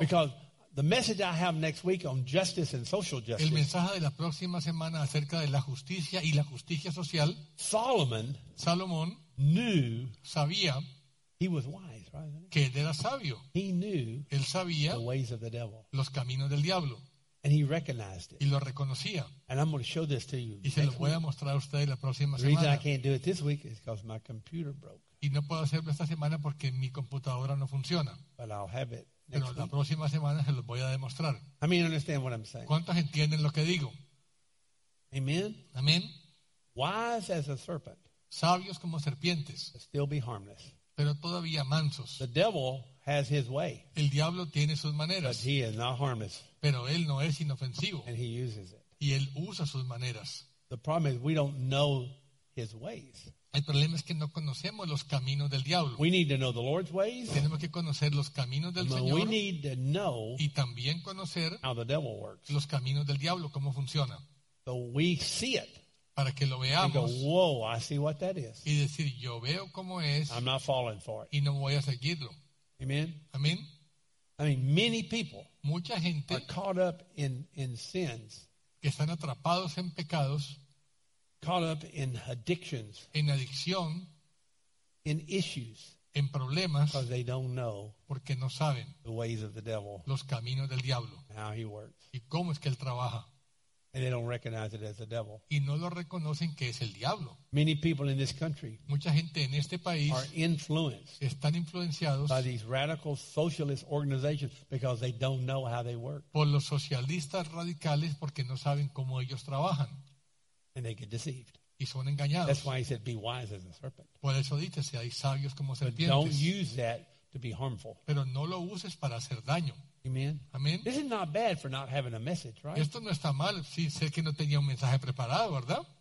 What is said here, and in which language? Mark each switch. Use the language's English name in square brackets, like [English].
[English] Because the message I have next week on justice and social justice. [Spanish] El mensaje de la próxima semana acerca de la justicia y la justicia social. [English] Solomon. [Spanish] Salomón. [English] knew, [Spanish] sabía, [English] he was wise, right? [Spanish] Que él era sabio. [English] He knew, [Spanish] él sabía, [English] the ways of the devil, [Spanish] los caminos del diablo, [English] and he recognized it, [Spanish] y lo reconocía. [English] And I'm going to show this to you. [Spanish] Y se lo voy a mostrar a ustedes la próxima [English] The reason I can't do it this week is because my computer broke. [Spanish] Y no puedo hacerlo esta semana porque mi computadora no funciona. [English] But I'll have it. [Spanish] Pero la próxima semana se los voy a demostrar. [English] I mean, understand what I'm saying. [Spanish] ¿Cuántos entienden lo que digo? [English] Amen. [Spanish] Amen. [English] Wise as a serpent. [Spanish] Sabios como serpientes. [English] Still be harmless. [Spanish] Pero todavía mansos. [English] The devil has his way. [Spanish] El diablo tiene sus maneras. [English] But he is not harmless. [Spanish] Pero él no es inofensivo. [English] And he uses it. [Spanish] Y él usa sus maneras. [English] The problem is we don't know his ways. [Spanish] El problema es que no conocemos los caminos del diablo. [English] We need to know the Lord's ways. [Spanish] Tenemos que conocer los caminos del Señor. [English] We need to know, [Spanish] y también conocer, [English] how the devil works, [Spanish] los caminos del diablo, cómo funciona. [English] So we see it, [Spanish] para que lo veamos. [English] Go, whoa, I see what that is. [Spanish] Y decir, yo veo cómo es. [English] I'm not falling for it. [Spanish] Y no voy a seguirlo. [English] Amen. [Spanish] Amen. [English] I mean, many people, [Spanish] mucha gente, [English] are caught up in sins, [Spanish] que están atrapados en pecados. [English] Caught up in addictions, [Spanish] en adicción, [English] in issues, [Spanish] en problemas, [English] because they don't know, [Spanish] porque no saben, [English] the ways of the devil, [Spanish] los caminos del diablo, [English] how he works, [Spanish] y cómo es que él trabaja, [English] and they don't recognize it as the devil, [Spanish] y no lo reconocen que es el diablo. [English] Many people in this country, [Spanish] mucha gente en este país, [English] are influenced, [Spanish] están influenciados, [English] by these radical socialist organizations because they don't know how they work, [Spanish] por los socialistas radicales porque no saben cómo ellos trabajan. [English] And they get deceived. [Spanish] Y son engañados. [English] That's why he said, "Be wise as a serpent." [Spanish] Por eso dice, si hay sabios como serpientes. [English] But don't use that to be harmful. [Spanish] Pero no lo uses para hacer daño. [English] Amen. [Spanish] Amen. [English] This is not bad for not having a message, right? [Spanish] Esto no está mal. Sí, sé que no tenía un mensaje preparado, ¿verdad?